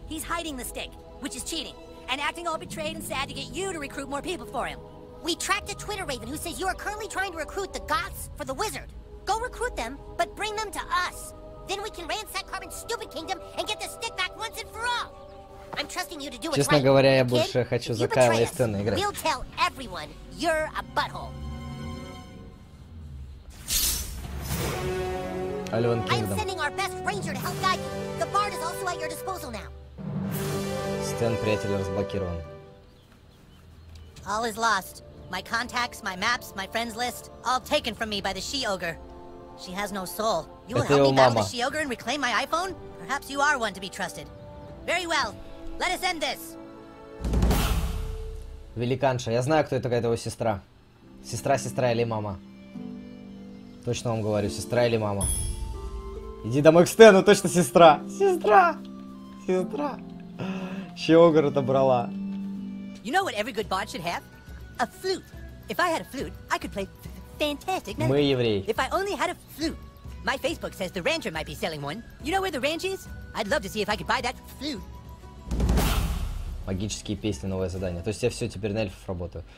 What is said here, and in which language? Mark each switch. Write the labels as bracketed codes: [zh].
[en] He's hiding the stick, which is cheating. And acting all betrayed and sad to get you to recruit more people for him. We tracked a Twitter raven who says you are currently trying to recruit the Goths for the Wizard. Go recruit them, but bring them to us. Then we can ransack Carmen's stupid kingdom and get the stick back once and for all. I'm trusting you to do it. [ru] Честно говоря, я больше хочу за Кайла и Стэна играть. [en] We'll tell everyone you're a butthole. Alone Kingdom. I'm sending our best ranger to help guide you. The bard is also at your disposal now. [ru] Стэн, приятель, разблокирован. [en] All is lost. My contacts, my maps, my friends list, all taken from me by the She-Ogre. She has no soul. You will help me battle the She-Ogre and reclaim my iPhone? Perhaps you are one to be trusted. Very well. Let us end this. [ru] Великанша, я знаю, кто это такая, это его сестра. Сестра, сестра или мама. Точно вам говорю, сестра или мама. Иди домой к Стэну, точно сестра. Сестра. Сестра. She-Ogre это брала. [en] You know what every good bard should have? A flute. If I had a flute, I could play fantastic. [ru] Мы евреи. [en] If I only had a flute. My Facebook says the ranger might be selling one. You know where the ranch is? I'd love to see if I could buy that flute. [ru] Магические песни, новое задание. То есть я все теперь на эльфов работаю.